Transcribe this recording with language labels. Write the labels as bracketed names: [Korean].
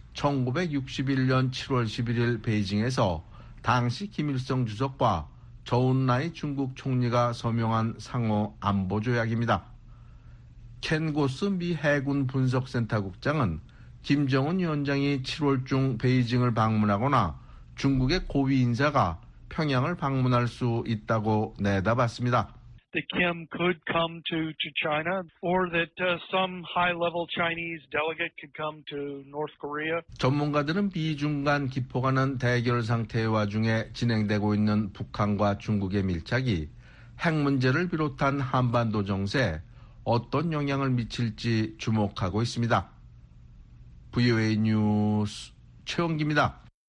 [Korean] 1961년 7월 11일 베이징에서 당시 김일성 주석과 저온라이 중국 총리가 서명한 상호 안보조약입니다. 켄 고스 미 해군 분석센터 국장은 김정은 위원장이 7월 중 베이징을 방문하거나 중국의 고위 인사가 평양을 방문할 수 있다고 내다봤습니다. [English] That Kim could come to China, or that some high-level Chinese delegate could come to North Korea. [Korean] 전문가들은 미중 간 기포가는 대결 상태의 와중에 진행되고 있는 북한과 중국의 밀착이 핵 문제를 비롯한 한반도 정세에 어떤 영향을 미칠지 주목하고 있습니다. VOA 뉴스 최원기입니다.